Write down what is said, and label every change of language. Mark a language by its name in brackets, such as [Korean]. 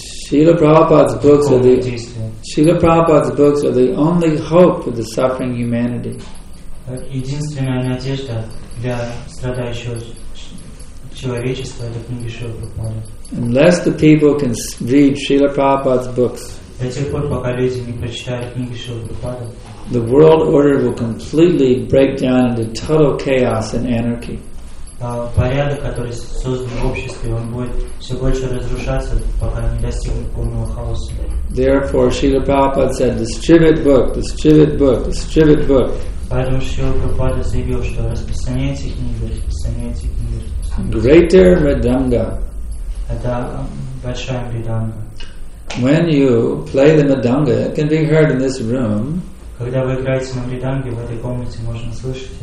[English] Srila Prabhupada's books are the Srila Prabhupada's books are the only hope for the suffering humanity. [Russian] Единственная надежда для страдающего человечества это книги Шрилы Прабхупады. [English] Unless the people can read Srila Prabhupada's books, [Russian] до тех пор, пока люди не прочитают книги Шрилы Прабхупады, [English] the world order will completely break down into total chaos and anarchy. [Russian] Порядок, который создан в обществе, он будет все больше разрушаться, пока не достигнет полного хаоса. [English] Therefore, Srila Prabhupada said, distribute book, distribute book, distribute book. [Russian] Поэтому Шрила Прабхупада заявил, что распространяйте книги, распространяйте книги. [English] Greater Madanga. [Russian] Это большая мриданга. [English] When you play the Madanga, it can be heard in this room. [Russian] Когда вы играете на мриданге, в этой комнате можно слышать.